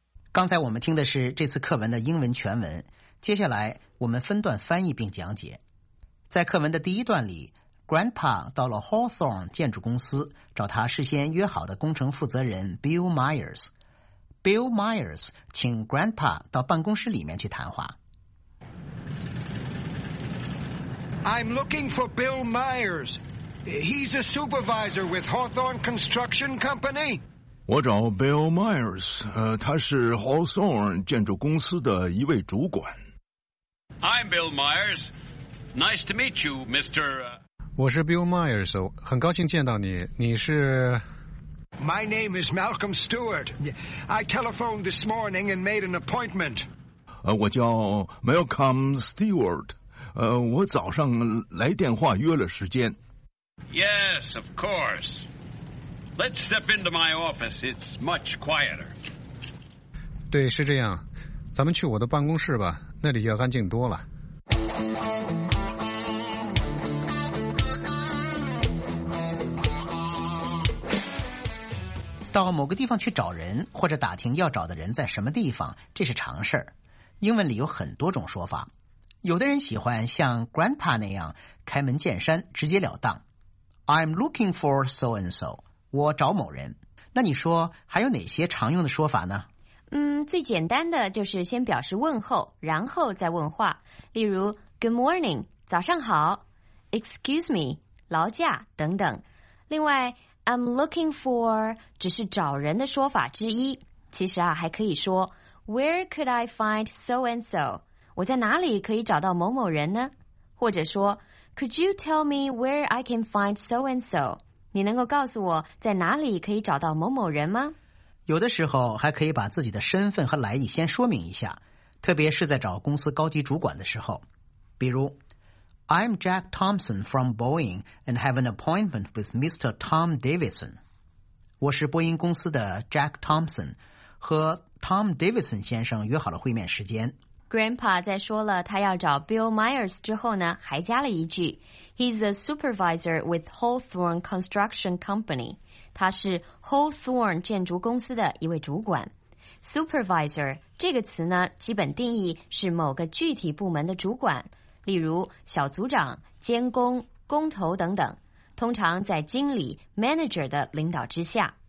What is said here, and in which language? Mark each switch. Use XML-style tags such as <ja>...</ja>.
<zh>刚才我们听的是这次课文的英文全文，接下来我们分段翻译并讲解。在课文的第一段里， Grandpa 到了 Hawthorne 建筑公司找他事先约好的工程负责人 Bill Myers。 Bill Myers 请 Grandpa 到办公室里面去谈话。</zh> <en>I'm looking for Bill Myers. He's a supervisor with Hawthorne Construction Company.</en> <zh>我找 Bill Myers， 他是 Hawthorne 建筑公司的一位主管。</zh> <en>I'm Bill MyersNice to meet you, Mr.</en> <zh>我是 Bill Myers， 很高兴见到你。你是</zh> <en>？My name is Malcolm Stewart. I telephoned this morning and made an appointment.</en> <zh>我叫 Malcolm Stewart。我早上来电话约了时间。</zh> <en>Yes, of course. Let's step into my office. It's much quieter.</en> <zh>对，是这样。咱们去我的办公室吧，那里要安静多了。到某个地方去找人，或者打听要找的人在什么地方，这是常事儿。英文里有很多种说法，有的人喜欢像 grandpa 那样开门见山，直截了当。</zh> <en>I'm looking for so and so，</en> <zh>我找某人。那你说还有哪些常用的说法呢？最简单的就是先表示问候，然后再问话。例如</zh> <en>good morning，</en> <zh>早上好，</zh> <en>excuse me，</en> <zh>劳驾等等。另外</zh> <en>I'm looking for</en> <zh>只是找人的说法之一，其实啊，还可以说</zh> <en>Where could I find so and so？</en> <zh>我在哪里可以找到某某人呢？或者说</zh> <en>Could you tell me where I can find so and so？</en> <zh>你能够告诉我在哪里可以找到某某人吗？有的时候还可以把自己的身份和来意先说明一下，特别是在找公司高级主管的时候。比如</zh> <en>I'm Jack Thompson from Boeing and have an appointment with Mr. Tom Davidson.</en> <zh>我是波音公司的 Jack Thompson， 和 Tom Davidson 先生约好了会面时间。 Grandpa 在说了他要找 Bill Myers 之后呢，还加了一句</zh> <en>He's a supervisor with Hawthorne Construction Company.</en> <zh>他是 Hawthorne 建筑公司的一位主管。 Supervisor 这个词呢，基本定义是某个具体部门的主管，例如小组长、监工、工头等等，通常在经理 manager 的领导之下。</zh>